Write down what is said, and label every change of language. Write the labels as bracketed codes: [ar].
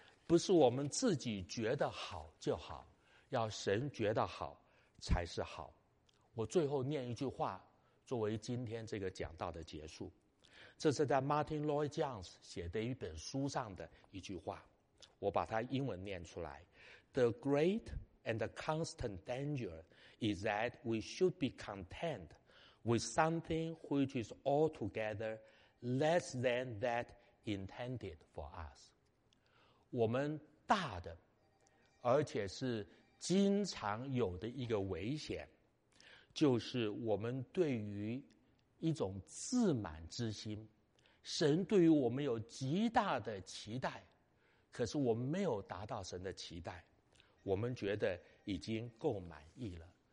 [zh] 不是我们自己觉得好就好，要神觉得好才是好。我最后念一句话作为今天这个讲道的结束，这是在 Martin Lloyd-Jones 写的一本书上的一句话，我把它英文念出来。 [en] The great and the constant danger is that we should be content with something which is altogether less than that intended for us。 [zh] 我们大的而且是经常有的一个危险，就是我们对于一种自满之心，神对于我们有极大的期待，可是我们没有达到神的期待，我们觉得已经够满意了。